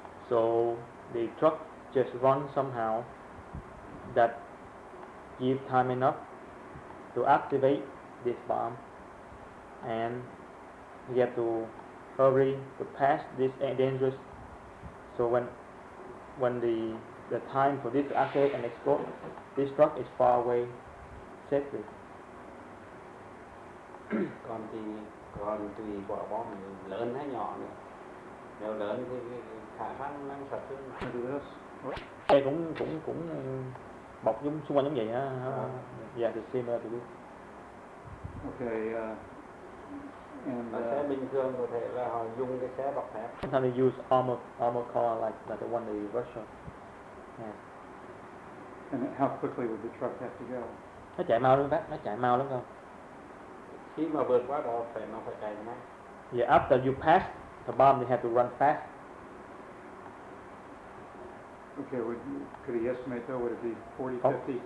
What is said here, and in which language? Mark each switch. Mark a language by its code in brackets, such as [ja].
[en] So the truck just run somehow that give time enough to activate this bomb, and you have to hurry to pass this dangerous. So when the time for this to activate and explode, this truck is far away. [vi] Còn thì còn tùy quả bom lớn hay nhỏ nữa. Nếu lớn thì khả năng năng sạch thương mạnh. Đây cũng bọc giống xung quanh giống vậy á. Dạ, thì xem ra thì biết. [en] Ok. [vi] Và xe bình thường có thể là họ dùng cái xe bọc thép. [en] Sometimes they use armor car like the one in Russia. And how quickly would the truck have to go? [vi] Nó chạy mau lắm bác, nó chạy mau lắm không? Khi mà vượt quá đó phải nó phải chạy mau. [en] Yeah, after you pass the bomb, you have to run fast. Okay, could you estimate though, would it be 40, 50?